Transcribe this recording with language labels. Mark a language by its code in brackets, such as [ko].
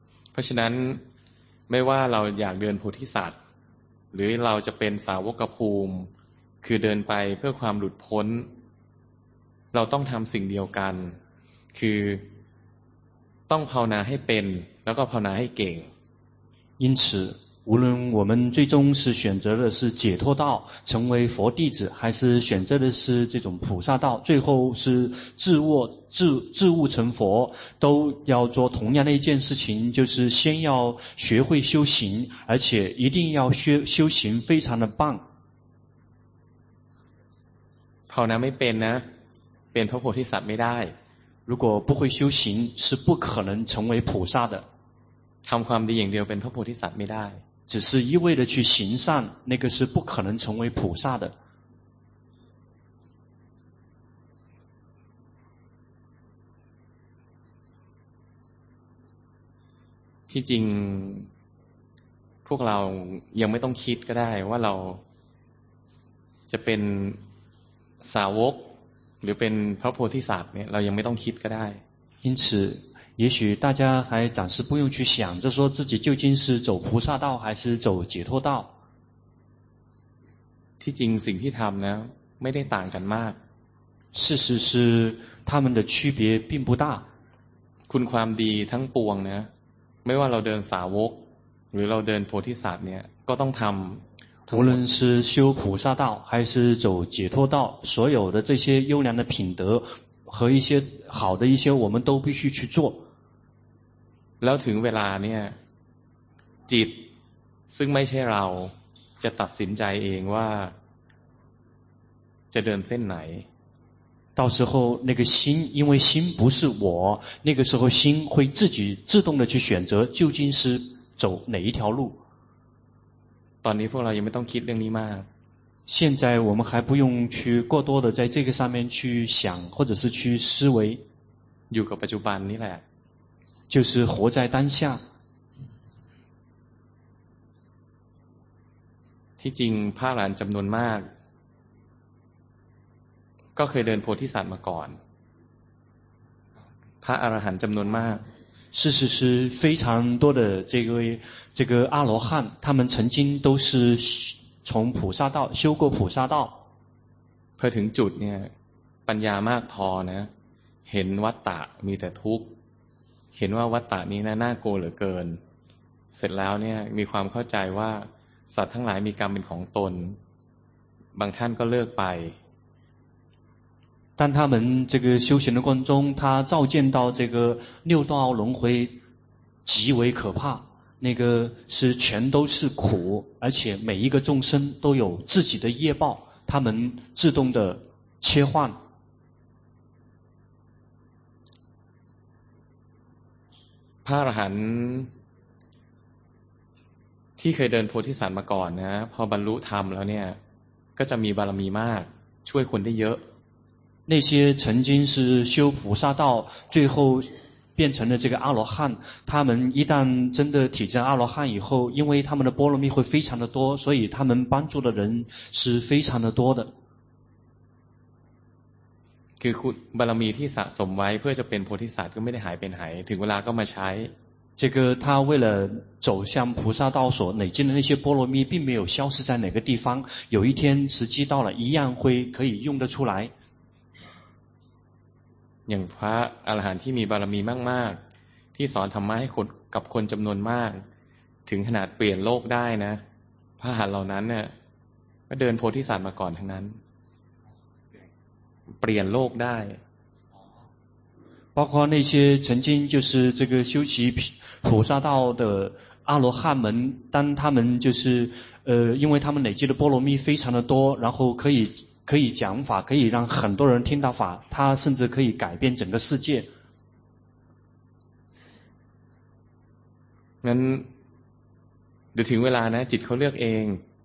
[th] เพราะฉะนั้นไม่ว่าเราอยากเดินโพธิสัตว์หรือเราจะเป็นสาวกภูมิคือเดินไปเพื่อความหลุดพ้นเราต้องทำสิ่งเดียวกันคือต้องภาวนาให้เป็นแล้วก็ภาวนาให้เก่ง [zh] 因此无论我们最终是选择的是解脱道成为佛弟子还是选择的是这种菩萨道最后是自悟成佛都要做同样的一件事情就是先要学会修行而且一定要修行非常的棒 [th] ภาวนาไม่เป็นนะเป็นพระโพธิสัตว์ไม่ได้ [zh] 如果不会修行是不可能成为菩萨的 [th] ทำความดีอย่างเดียวเป็นพระโพธิสัตว์ไม่ได้ [zh] 只是一味的去行善那个是不可能成为菩萨的 [th] ที่จริงพวกเรายังไม่ต้องคิดก็ได้ว่าเราจะเป็นสาวกหรือเป็นพระโพธิสัตว์เนี่ยเรายังไม่ต้องคิดก็ได้ [zh] 因此也许大家还暂时不用去想着说自己究竟是走菩萨道还是走解脱道。 [th] ที่จริงสิ่งที่ทำนะไม่ได้ต่างกันมาก。 [zh] 事实是他们的区别并不大。 [th] คุณความดีทั้งปวงนะไม่ว่าเราเดินสาวกหรือเราเดินโพธิสัตว์เนี่ยก็ต้องทำ。 [zh] 无论是修菩萨道还是走解脱道，所有的这些优良的品德。和一些好的一些我们都必须去做 [th] แล้วถึงเวลาเนี่ยจิตซึ่งไม่ใช่เราจะตัดสินใจเองว่าจะเดินเส้นไหน [zh] 到时候那个心因为心不是我那个时候心会自己自动的去选择究竟是走哪一条路 [th] ตอนนี้พวกเรายังไม่ต้องคิดเรื่องนี้มาก [zh] 现在我们还不用去过多的在这个上面去想或者是去思维 [th] อยู่กับปัจจุบันนี่แหละ [zh] 就是活在当下 [th] ที่จริงพระหลานจำนวนมากก็เคยเดินโพธิสัตว์มาก่อนพระอรหันต์จำนวนมาก [zh] 事实是非常多的这个阿罗汉他们曾经都是从菩萨道修过菩萨道 [th] พอถึงจุดเนี่ยปัญญามากพอนะเห็นวัฏฏะมีแต่ทุกข์เห็นว่าวัฏฏะนี้นะน่ากลัวเหลือเกินเสร็จแล้วเนี่ยมีความเข้าใจว่าสัตว์ทั้งหลายมีกรรมเป็นของตนบางท่านก็เลิกไป [zh] 当他们这个修行的过程中他照见到这个六道轮回极为可怕那个是全都是苦而且每一个众生都有自己的业报他们自动的切换 [th] พระอรหันต์ที่เคยเดินโพธิสัตว์มาก่อนนะพอบรรลุธรรมแล้วเนี่ยก็จะมีบารมีมากช่วยคนได้เยอะ [zh] 那些曾经是修菩萨道最后变成了这个阿罗汉，他们一旦真的体证阿罗汉以后，因为他们的波罗蜜会非常的多，所以他们帮助的人是非常的多的。 [th] คือคุณบารมีที่สะสมไว้เพื่อจะเป็นโพธิสัตว์ก็ไม่ได้หายเป็นหายถึงเวลาก็มาใช้ [zh] 这个他为了走向菩萨道所累积的那些波罗蜜并没有消失在哪个地方，有一天时机到了一样会可以用得出来。 [th] อย่างพระอรหันต์ที่มีบารมีมากๆที่สอนธรรมะให้คนกับคนจำนวนมากถึงขนาดเปลี่ยนโลกได้นะพระอรหันต์เหล่านั้นเนี่ยก็เดินโพธิสัตว์มาก่อนทั้งนั้นเปลี่ยนโลกได้ [zh] 包括那些曾经就是这个修习菩萨道的阿罗汉们，当他们就是因为他们累积的波罗蜜非常的多，然后可以讲法，可以让很多人听到法，他甚至可以改变整个世界。那，就 [th] ถึงเวลานะจิตเขาเลือกเอง。